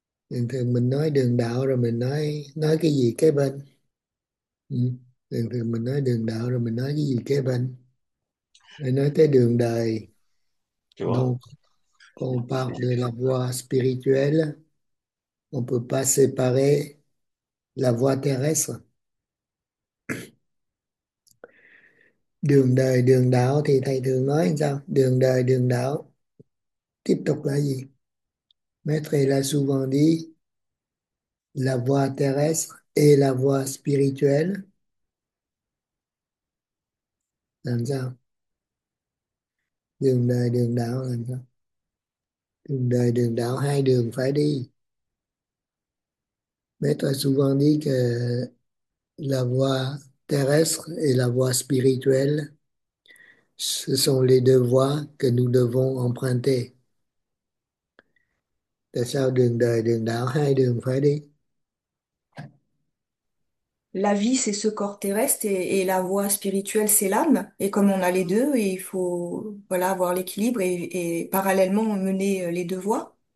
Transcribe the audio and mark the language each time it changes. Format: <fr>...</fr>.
<vi>Thường thường mình nói đường đạo rồi mình nói cái gì kế bên. Thường thường mình nói đường đạo rồi mình nói cái gì kế bên. Để nói tới đường đời. Vois.</vi> <fr>Donc, on parle de la voie spirituelle. On peut pas séparer la voie terrestre.</fr> <vi>Đường đời, đường đạo thì thầy thường nói làm sao? Đường đời, đường đạo. Tiếp tục là gì?</vi> <fr>Maître l'a souvent dit, la voie terrestre et la voie spirituelle.</fr> <vi>Làm sao? Đường đời, đường đạo làm sao? Đường đời, đường đạo, hai đường phải đi.</vi> <fr>Maître l'a souvent dit que la voie terrestre et la voie spirituelle, ce sont les deux voies que nous devons emprunter.</fr> <vi>Tại sao đường đời, đường đạo, hai đường phải đi?</vi> <fr>La vie, c'est ce corps terrestre et la voie spirituelle, c'est l'âme. Et comme on a les deux, il faut voilà, avoir l'équilibre et parallèlement mener les deux voies.</fr>